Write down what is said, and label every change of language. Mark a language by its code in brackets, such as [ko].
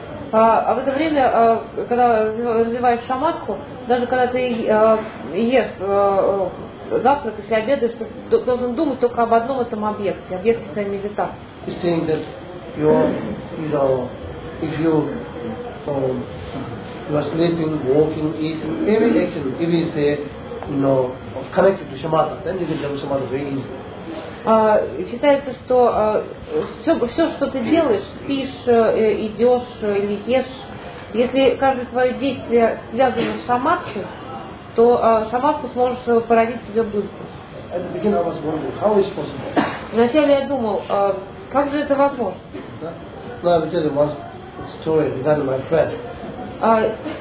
[ru] А в это время, когда развиваешь шаматху, даже когда ты ешь завтрак, если обедаешь, ты должен думать только об одном этом объекте, объекте своей медитации. [en] You are sleeping, walking, eating, every action, if you say, connected to shamatha, then you can learn shamatha very easily. [ru] Считается, что все, что ты делаешь, спишь, идешь или ешь, если каждое твое действие связано с шаматхой, то шаматху сможешь породить себе быстро. [en] At the beginning I was wondering, how is it possible? [ru] Вначале я думал, как же это возможно? [en] No, I will tell you one story regarding my friend.